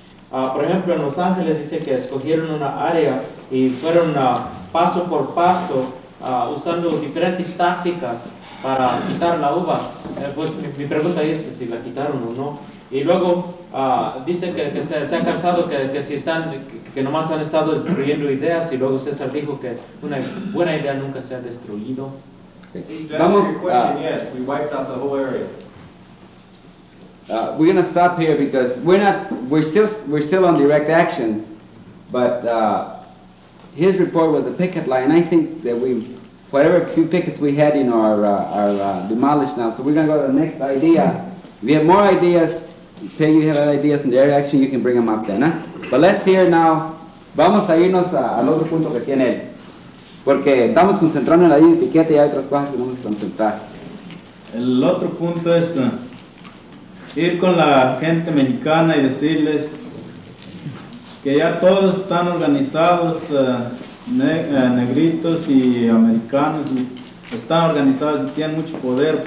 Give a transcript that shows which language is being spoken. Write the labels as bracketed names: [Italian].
[Spanish] Por ejemplo, en Los Ángeles dice que escogieron una área y fueron paso por paso usando diferentes tácticas para quitar la uva. Pues mi pregunta es si la quitaron o no. Y luego dice que se han cansado, que si están, que nomás han estado destruyendo ideas, y luego César dijo que una buena idea nunca se ha destruido. Vamos. [English] Yes, we wiped out the whole area. We're going to stop here because we're still on direct action, but his report was a picket line. I think that whatever few pickets we had, you know, are demolished now. So we're going to go to the next idea. If you have more ideas, Peggy, you have ideas in direct action, you can bring them up then. Huh? But let's hear now. [Spanish] Vamos a irnos al otro punto que tiene él. Porque estamos concentrando en la línea etiqueta y hay otras cosas que vamos a concentrar. El otro punto es ir con la gente mexicana y decirles que ya todos están organizados, negritos y americanos, y están organizados y tienen mucho poder.